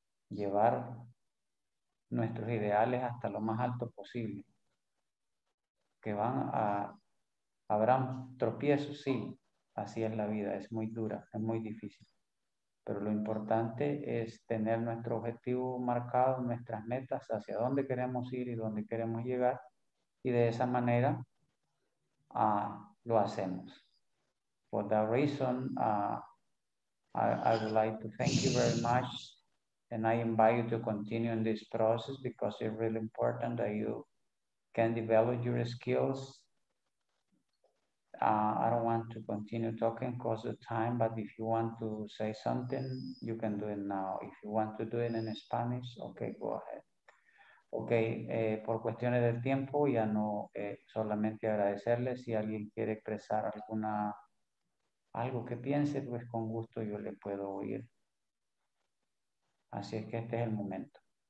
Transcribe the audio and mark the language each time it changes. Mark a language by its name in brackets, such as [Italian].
[Spanish] Llevar nuestros ideales hasta lo más alto posible. Que van a... Habrá tropiezos, sí. Así es la vida, es muy dura, es muy difícil. Pero lo importante es tener nuestro objetivo marcado, nuestras metas, hacia dónde queremos ir y dónde queremos llegar. Y de esa manera lo hacemos. [English] For that reason, I would like to thank you very much. And I invite you to continue in this process because it's really important that you can develop your skills. I don't want to continue talking because of time, but if you want to say something, you can do it now. If you want to do it in Spanish, okay, go ahead. [Spanish] Okay, por cuestiones del tiempo, ya no solamente agradecerles. Si alguien quiere expresar alguna... algo que piense, pues con gusto yo le puedo oír. Así es que este es el momento.